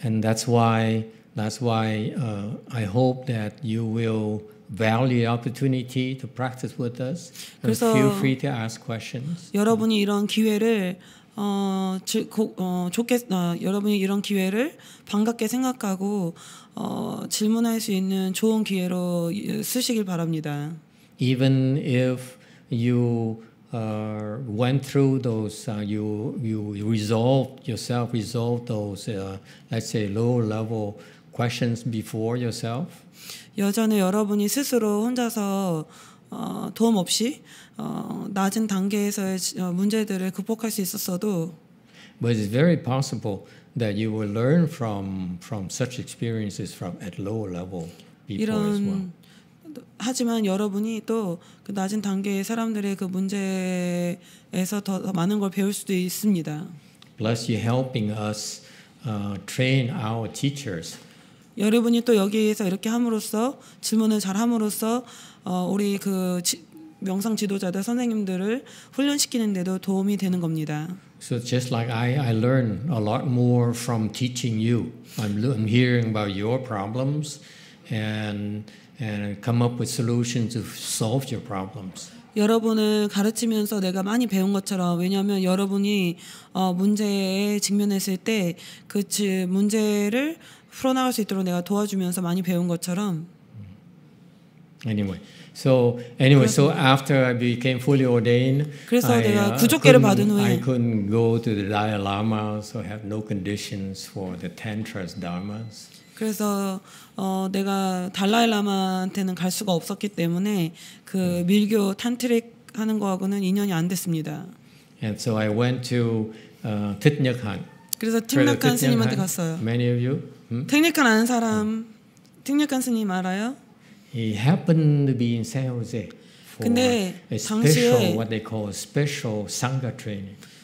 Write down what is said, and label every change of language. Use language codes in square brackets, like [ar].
[en] And that's why I hope that you will value the opportunity to practice with us. So feel free to ask questions. [ko] 여러분이 이런 기회를 여러분이 이런 기회를 반갑게 생각하고 질문할 수 있는 좋은 기회로 쓰시길 바랍니다. [en] Even if you went through those, you resolved those, let's say, lower level questions before yourself. [ko] 여전히 여러분이 스스로 혼자서 도움 없이 낮은 단계에서의 문제들을 극복할 수 있었어도 [en] But it's very possible that you will learn from such experiences from at lower level people as well. [ko] 하지만 여러분이 또 그 낮은 단계의 사람들의 그 문제에서 더 많은 걸 배울 수도 있습니다. [en] Plus you helping us train our teachers. [ko] 여러분이 또 여기에서 이렇게 함으로써 질문을 잘 함으로써 우리 그 명상 지도자들 선생님들을 훈련시키는 데도 도움이 되는 겁니다. [en] So just like I learn a lot more from teaching you. I'm hearing about your problems and come up with solutions to solve your problems. [ko] 여러분을 가르치면서 내가 많이 배운 것처럼 왜냐하면 여러분이 문제에 직면했을 때 그 문제를 풀어나갈 수 있도록 내가 도와주면서 많이 배운 것처럼. [en] Anyway, so after I became fully ordained, [ko] 그래서 내가 구족계를 받은 후에, [en] I couldn't go to the Dalai Lama, so have no conditions for the tantras dharmas. [ko] 그래서 내가 달라이 라마한테는 갈 수가 없었기 때문에 그 밀교 탄트릭 하는 거하고는 인연이 안 됐습니다. [en] And so I went to Thich Nhat Hanh. [ko] 그래서 Thich Nhat Hanh 스님한테 갔어요. [en] Many of you. [ko] 특력한 아는 사람, 특력한 스님 알아요? [en] He happened to be in San Jose for a special what they call special sangha training.